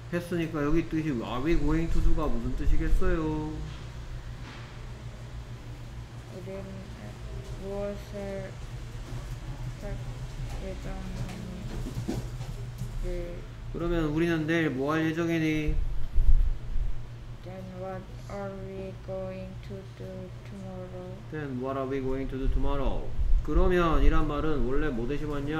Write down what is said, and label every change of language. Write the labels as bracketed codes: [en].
[ko] 했으니까 여기 뜻이 [en] are we going to [ko] 가 무슨 뜻이겠어요? 이런 무엇을 할 예정이니? 그러면 우리는 내일 뭐 할 예정이니? [en] Then what are we going to do tomorrow? Then what are we going to do tomorrow? [ko] 그러면 이란 말은 원래 뭐 대신 왔냐?